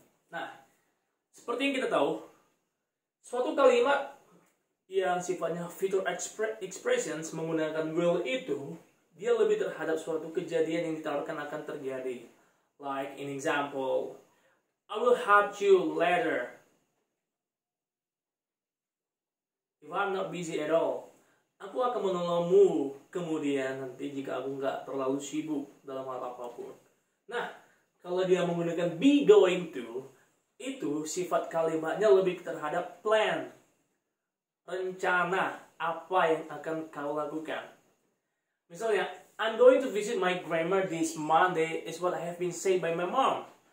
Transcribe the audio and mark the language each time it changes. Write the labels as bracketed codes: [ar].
[id] Nah, seperti yang kita tahu, suatu kalimat yang sifatnya future expressions menggunakan will itu, dia lebih terhadap suatu kejadian yang ditawarkan akan terjadi. [en] Like in example, I will help you later if I'm not busy at all. [id] Aku akan menolongmu kemudian nanti jika aku gak terlalu sibuk dalam hal apapun. Nah, kalau dia menggunakan be going to, itu sifat kalimatnya lebih terhadap plan, rencana apa yang akan kau lakukan. [en] Misalnya, I'm going to visit my grandma this Monday is what I have been said by my mom.